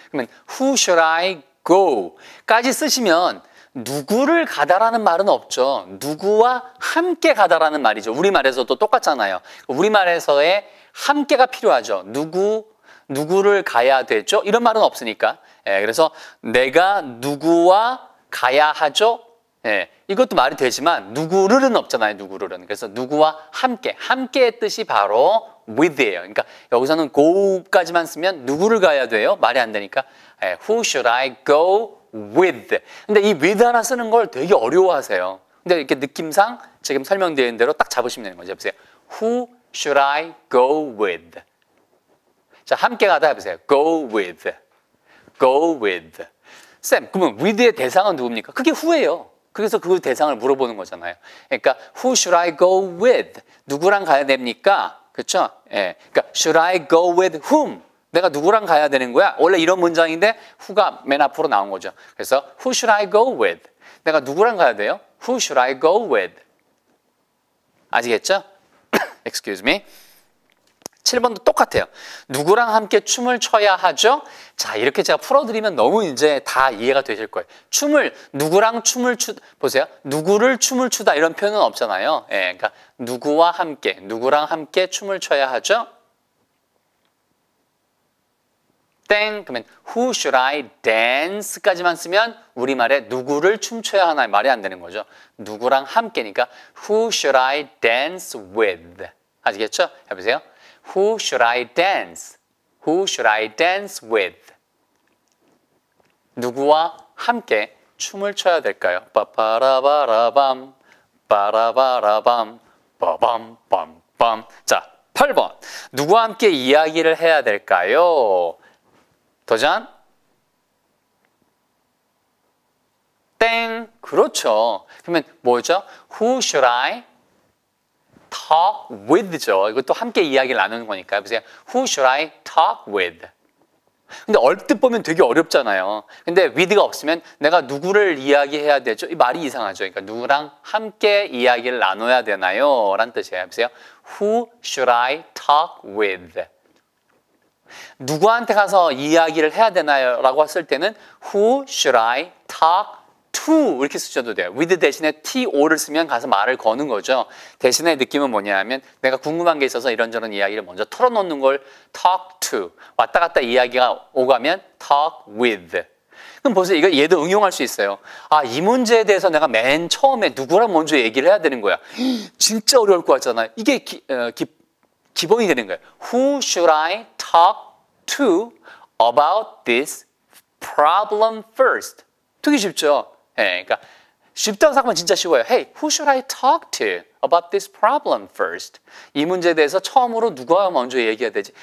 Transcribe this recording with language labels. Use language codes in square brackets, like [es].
[en] 그러면 who should I go? [ko] 까지 쓰시면 누구를 가다라는 말은 없죠. 누구와 함께 가다라는 말이죠. 우리말에서도 똑같잖아요. 우리말에서의 함께가 필요하죠. 누구를 가야 되죠? 이런 말은 없으니까. 예, 그래서 내가 누구와 가야 하죠? 이것도 말이 되지만 누구를은 없잖아요. 누구를은. 그래서 누구와 함께. 함께의 뜻이 바로 with예요. 그러니까 여기서는 go까지만 쓰면 누구를 가야 돼요? 말이 안 되니까 [en] who should I go with? [ko] 근데 이 with 하나 쓰는 걸 되게 어려워하세요. 근데 이렇게 느낌상 지금 설명된 대로 딱 잡으시면 되는 거죠. 보세요. [en] Who should I go with? [ko] 자, 함께 가다 해보세요. [en] Go with. Go with. [ko] 쌤, 그러면 with의 대상은 누굽니까? 그게 who예요. 그래서 그 대상을 물어보는 거잖아요. 그러니까 [en] who should I go with? [ko] 누구랑 가야 됩니까? 그렇죠? 예. 그러니까 [en] should I go with whom? [ko] 내가 누구랑 가야 되는 거야? 원래 이런 문장인데 who가 맨 앞으로 나온 거죠. 그래서 [en] who should I go with? [ko] 내가 누구랑 가야 돼요? [en] Who should I go with? [ko] 아시겠죠? [en] Excuse me. [ko] 7번도 똑같아요. 누구랑 함께 춤을 춰야 하죠? 자, 이렇게 제가 풀어드리면 너무 이제 다 이해가 되실 거예요. 춤을, 누구랑 춤을 추, 보세요. 누구를 춤을 추다 이런 표현은 없잖아요. 예, 그러니까 누구와 함께, 누구랑 함께 춤을 춰야 하죠? 땡, 그러면 [en] who should I dance [ko] 까지만 쓰면 우리말에 누구를 춤춰야 하나 말이 안 되는 거죠. 누구랑 함께니까 [en] who should I dance with. [ko] 아시겠죠? 해보세요. [en] Who should I dance? Who should I dance with? [ko] 누구와 함께 춤을 춰야 될까요? 빠바라바라밤, 빠라바라밤, 빠밤밤밤. 자, 8번. 누구와 함께 이야기를 해야 될까요? 도전? 땡! 그렇죠. 그러면 뭐죠? [en] Who should I talk with죠. [ko] 이것도 함께 이야기를 나누는 거니까요. 보세요. [en] Who should I talk with? [ko] 근데 얼핏 보면 되게 어렵잖아요. 근데 with가 없으면 내가 누구를 이야기해야 되죠? 이 말이 이상하죠. 그러니까 누구랑 함께 이야기를 나눠야 되나요? 라는 뜻이에요. 보세요. [en] Who should I talk with? [ko] 누구한테 가서 이야기를 해야 되나요? 라고 했을 때는 [en] Who should I talk to? [ko] 이렇게 쓰셔도 돼요. With 대신에 TO를 쓰면 가서 말을 거는 거죠. 대신에 느낌은 뭐냐 하면 내가 궁금한 게 있어서 이런저런 이야기를 먼저 털어놓는 걸 Talk to. 왔다 갔다 이야기가 오가면 Talk with. 그럼 보세요. 이거 얘도 응용할 수 있어요. 아, 이 문제에 대해서 내가 맨 처음에 누구랑 먼저 얘기를 해야 되는 거야. 진짜 어려울 것 같잖아요. 이게 기본이 되는 거예요. [en] Who should I talk to about this problem first? [ko] 되게 쉽죠? 예, 그러니까 쉽다고 생각하면 진짜 쉬워요. [en] Hey, who should I talk to about this problem first? [ko] 이 문제에 대해서 처음으로 누가 먼저 얘기해야 되지?